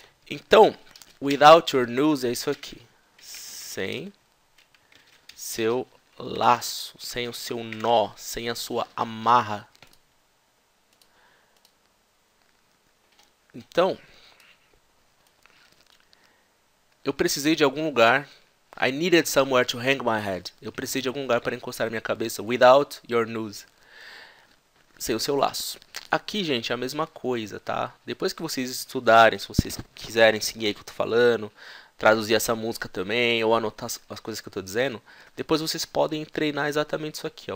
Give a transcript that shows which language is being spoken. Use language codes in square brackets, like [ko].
[pt] Então, [en] without your news [pt] é isso aqui. Sem seu laço, sem o seu nó, sem a sua amarra. Então, eu precisei de algum lugar. [en] I needed somewhere to hang my head. [pt] Eu precisei de algum lugar para encostar a minha cabeça. [en] Without your news. [pt] Sem o seu laço. Aqui, gente, é a mesma coisa, tá? Depois que vocês estudarem, se vocês quiserem seguir aí que eu tô falando, traduzir essa música também, ou anotar as coisas que eu tô dizendo, depois vocês podem treinar exatamente isso aqui, ó.